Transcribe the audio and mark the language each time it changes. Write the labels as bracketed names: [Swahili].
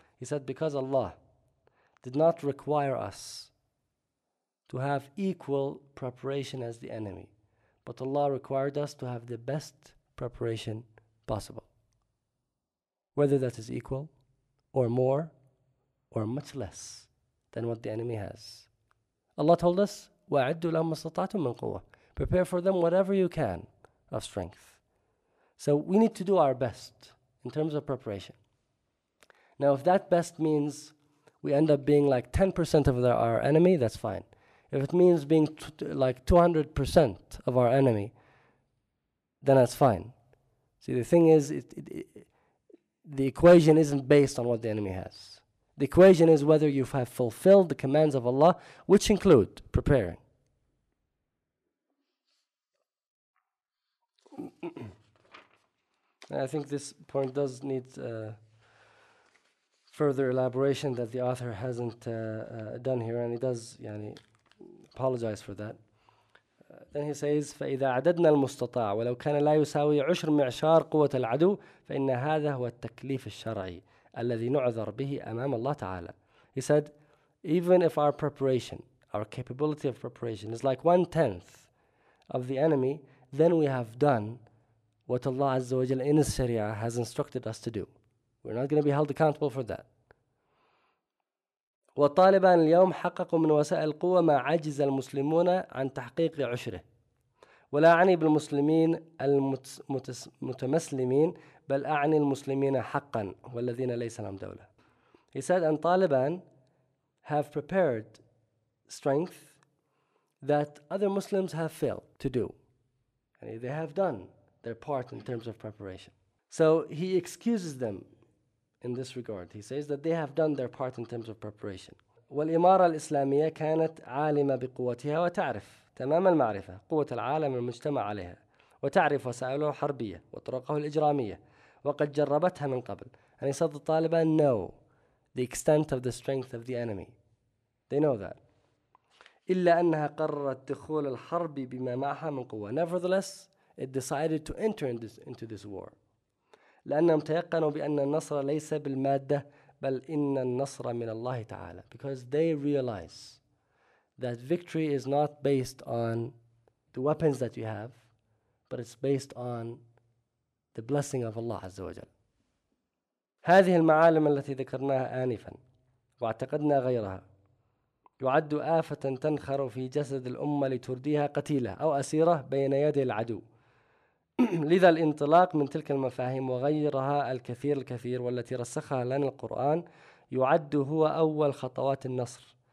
[English] He said, because Allah did not require us to have equal preparation as the enemy, but Allah required us to have the best preparation possible. Whether that is equal, or more, or much less than what the enemy has. Allah told us, [Arabic] وَأَعِدُّ لَهُمَّ اسْتَطَعْتُمْ مِنْ قُوَّةٍ. [English] Prepare for them whatever you can of strength. So we need to do our best in terms of preparation. Now if that best means we end up being like 10% of our enemy, that's fine. If it means being like 200% of our enemy, then that's fine. See, the thing is, the equation isn't based on what the enemy has. The equation is whether you have fulfilled the commands of Allah, which include preparing. I think this point does need further elaboration that the author hasn't done here, and he does apologize for that. Then he says, [Arabic] فإذا عددنا المستطاع ولو كان لا يساوي عشر معشار قوة العدو فإن هذا هو التكليف الشرعي الذي نعذر به أمام الله تعالى. [English] He said, even if our preparation, our capability of preparation is like 1/10 of the enemy, then we have done what Allah Azza wa Jalla in His Sharia has instructed us to do. We're not going to be held accountable for that. [Arabic] والطالبان اليوم حققوا من وسائل القوة ما عجز المسلمون عن تحقيق عشره ولا أعني بالمسلمين المتمسلمين بل أعني المسلمين حقا والذين ليس لهم دولة. [English] He said, and Taliban have prepared strength that other Muslims have failed to do. And they have done their part in terms of preparation. So he excuses them in this regard. He says that they have done their part in terms of preparation. [Arabic] والإمارة الإسلامية كانت عالمة بقوتها وتعرف تمام المعرفة قوة العالم المجتمع عليها وتعرف وسائله الحربية وطرقه الإجرامية وقد جربتها من قبل. [English] And he said the Taliban know the extent of the strength of the enemy. They know that. [Arabic] إلا أنها قررت دخول الحرب بما معها من قوة. [English] Nevertheless, it decided to enter into this war. [Arabic] لأنهم تيقنوا بأن النصر ليس بالمادة بل إن النصر من الله تعالى. [English] Because they realize that victory is not based on the weapons that you have, but it's based on the blessing of Allah Azza wa Jal. [Arabic] هذه المعالم التي ذكرناها آنفا واعتقدنا غيرها يعد آفة تنخر في جسد الأمة لترديها قتيلة أو أسيرة بين يدي العدو. لذا الانطلاق من تلك المفاهيم وغيرها الكثير الكثير والتي رسخها لنا القرآن يعد هو أول خطوات النصر.